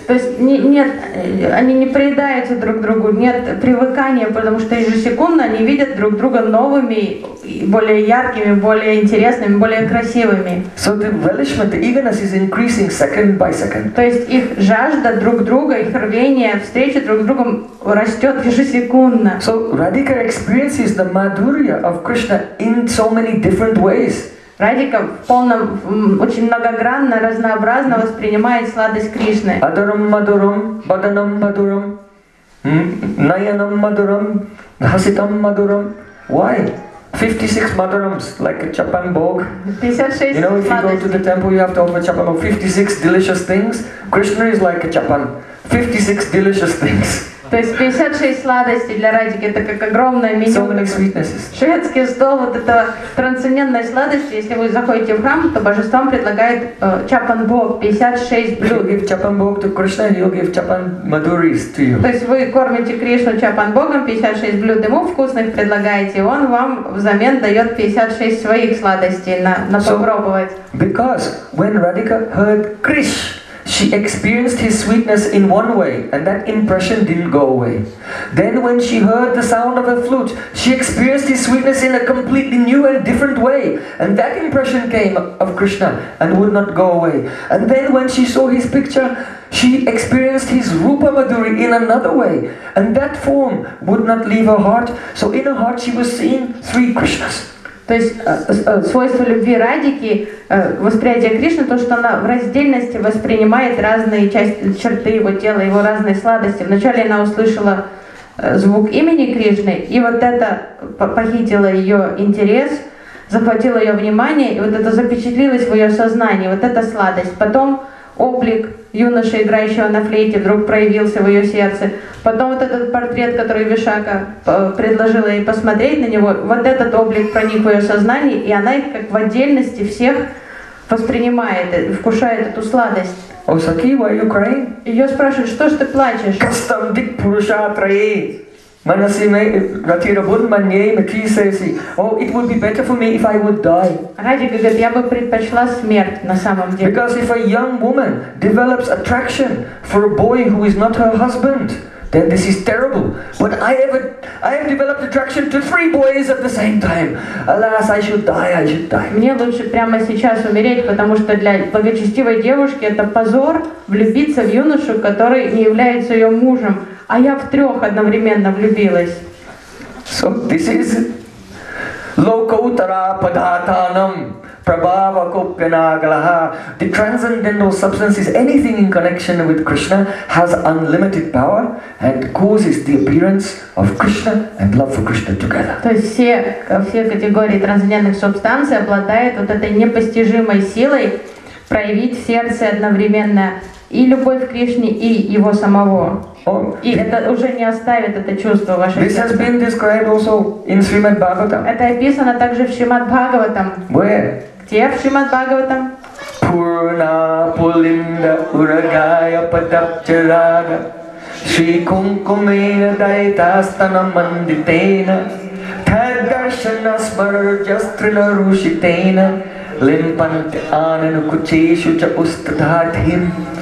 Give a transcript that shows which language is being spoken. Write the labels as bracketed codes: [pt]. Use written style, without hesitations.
[ru] То есть нет, они не приедаются друг другу, нет привыкания, потому что ежесекундно они видят друг друга новыми, более яркими, более интересными, более красивыми. [en] So the relishment, the eagerness is increasing second by second. [ru] То есть их жажда друг друга, их рвение встречи друг с другом растет ежесекундно. [en] So Radhika experiences the madhurya of Krishna in so many different ways. [ru] Радика в полном, очень многогранно, разнообразно воспринимает сладость Кришны. [sa] Адарам мадурам, баданам мадурам, наянам мадурам, хаситам мадурам. [en] Why? 56 madurams, like a chapan bhog. 56 you know, if you go to the temple, you have to offer chapan bhog. 56 delicious things. Krishna is like a chapan. 56 delicious things. [ru] То есть 56 сладостей для Радики, это как огромное меню. [en] So many sweetnesses. [ru] Шведский стол, вот это трансцендентной сладости. Если вы заходите в храм, то божествам предлагает чапан бог, 56 блюд. [en] You'll give chapan bhog to Krishna and you'll give chapan maduris to you. [ru] То есть вы кормите Кришну чапан богом, 56 блюд ему вкусных предлагаете, и он вам взамен дает 56 своих сладостей на попробовать. [en] Because when Radhika heard Krish, She experienced his sweetness in one way, and that impression didn't go away. Then when she heard the sound of a flute, she experienced his sweetness in a completely new and different way, and that impression came of Krishna and would not go away. And then when she saw his picture, she experienced his Rupa Madhuri in another way, and that form would not leave her heart. So in her heart she was seeing three Krishnas. [ru] То есть свойство любви Радики, восприятие Кришны, то, что она в раздельности воспринимает разные части, черты его тела, его разные сладости. Вначале она услышала звук имени Кришны, и вот это похитило ее интерес, захватило ее внимание, и вот это запечатлилось в ее сознании, вот эта сладость. Потом облик юноши, играющего на флейте, вдруг проявился в ее сердце. Потом вот этот портрет, который Вишака предложила ей посмотреть на него, вот этот облик проник в ее сознание, и она их как в отдельности всех воспринимает, вкушает эту сладость. [en] О, Саки, why are you crying? [ru] Ее спрашивают, что ж ты плачешь? [sa] Кастамдик Пурушатрии! Манасиме Ратирабун Манье Матрисеси. [en] О, it would be better for me if I would die. [ru] Радика говорит, я бы предпочла смерть на самом деле. [en] Because if a young woman develops attraction for a boy who is not her husband, then this is terrible. But I have developed attraction to three boys at the same time. Alas, I should die. [ru] Мне лучше прямо сейчас умереть, потому что для благочестивой девушки это позор влюбиться в юношу, который не является ее мужем, а я в трех одновременно влюбилась. [en] So this is [sa] lokotara padatanam. Prabhava Kopyanagalaha. [en] The transcendental substance is anything in connection with Krishna has unlimited power and causes the appearance of Krishna and love for Krishna together. [ru] То есть все категории трансцендентных субстанций обладают вот этой непостижимой силой проявить в сердце одновременно и любовь к Кришне, и его самого. Oh, и это уже не оставит это чувство вашего сердца. [en] This has been described also in Srimad Bhagavatam. [ru] Это описано также в Шримад Бхагаватам. [en] Where? [ru] Где в Шримад Бхагаватам? [sa] Пурна пулинда урагая патапчарага Шри кумкумена дайтастана мандитена Тхаддаршана смарджастрина рушитена Лимпанте анану кучешу ча устадхатхим.